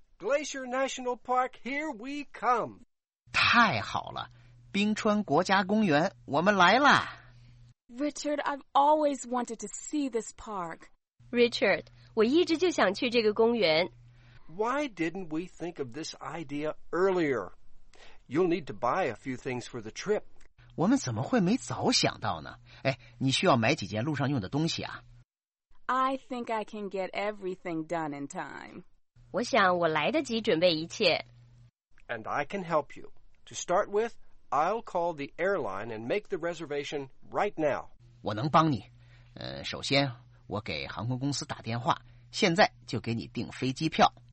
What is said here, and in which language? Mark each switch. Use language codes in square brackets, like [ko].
[en] Glacier National Park, here we come! [zh] 太好了，冰川国家公园，我们来啦。 [en] Richard, I've always wanted to see this park. [zh] Richard, 我一直就想去这个公园。 [en] Why didn't we think of this idea earlier? You'll need to buy a few things for the trip. [zh] 我们怎么会没早想到呢？哎，你需要买几件路上用的东西啊。 [en] I think I can get everything done in time. [zh] 我想我来得及准备一切。 [en] And I can help you. To start with,I'll call the airline and make the reservation right now. [zh] 我能帮你。首先我给航空公司打电话，现在就给你订飞机票。